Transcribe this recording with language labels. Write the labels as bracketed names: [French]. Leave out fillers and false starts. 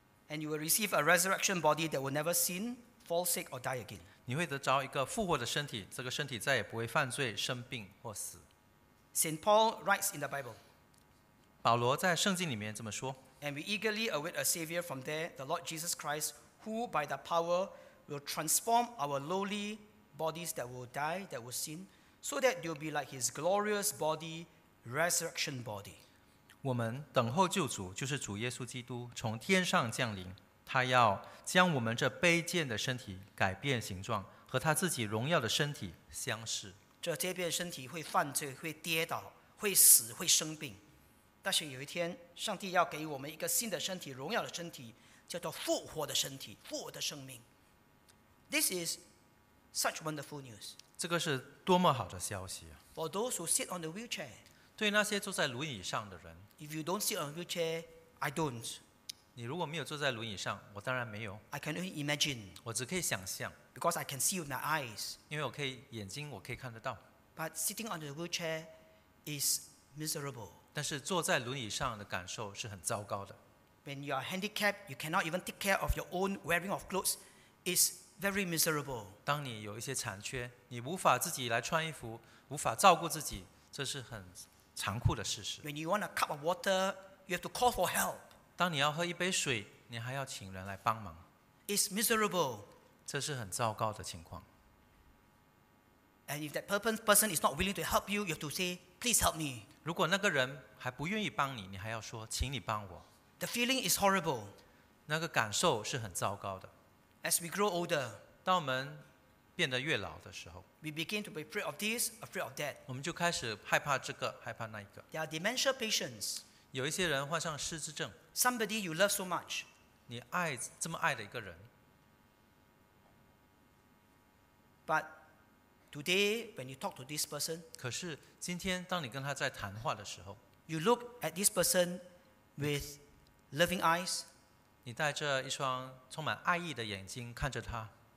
[English] And you will receive a resurrection body that will never sin, fall sick, or die again. [Chinese] 你会得着一个复活的身体，这个身体再也不会犯罪、生病或死。 [English] Saint Paul writes in the Bible. [Chinese] 保罗在圣经里面这么说。 [English] And we eagerly await a savior from there, the Lord Jesus Christ, who by the power will transform our lowly bodies that will die, that will sin, so that they will be like his glorious body, resurrection body. [Chinese] 我们等候救主，就是主耶稣基督从天上降临，他要将我们这卑贱的身体改变形状，和他自己荣耀的身体相似。这卑贱身体会犯罪，会跌倒，会死，会生病。但是有一天，上帝要给我们一个新的身体，荣耀的身体，叫做复活的身体，复活的生命。 [English] This is such wonderful news. [Chinese] 这个是多么好的消息啊！ [English] For those who sit on the wheelchair. [Chinese] 对那些坐在轮椅上的人。 [English] If you don't sit on a wheelchair, I don't. [Chinese] 你如果没有坐在轮椅上，我当然没有。 [English] I can only imagine. [Chinese] 我只可以想象。 [English] Because I can see with my eyes. [Chinese] 因为我可以眼睛，我可以看得到。 [English] But sitting on the wheelchair is miserable. [Chinese] 但是坐在轮椅上的感受是很糟糕的。 [English] When you are handicapped, you cannot even take care of your own wearing of clothes. It's very miserable. [Chinese] 当你有一些残缺，你无法自己来穿衣服，无法照顾自己，这是很残酷的事实。 [English] When you want a cup of water, you have to call for help. [Chinese] 当你要喝一杯水，你还要请人来帮忙。 [English] It's miserable. [Chinese] 这是很糟糕的情况。 [English] And if that person is not willing to help you, you have to say, "Please help me." [Chinese] 如果那个人还不愿意帮你，你还要说，请你帮我。 [English] The feeling is horrible. [Chinese] 那个感受是很糟糕的。 [English] As we grow older, [Chinese] 当我们变得越老的时候， [English] we begin to be afraid of this, afraid of that. [Chinese] 我们就开始害怕这个，害怕那一个。 [English] There are dementia patients. [Chinese] 有一些人患上失智症。 [English] Somebody you love so much. [Chinese] 你爱这么爱的一个人。 [English] But today, when you talk to this person, [Chinese] 可是今天当你跟他在谈话的时候， [English] you look at this person with loving eyes, [Chinese] 你带着一双充满爱意的眼睛看着他，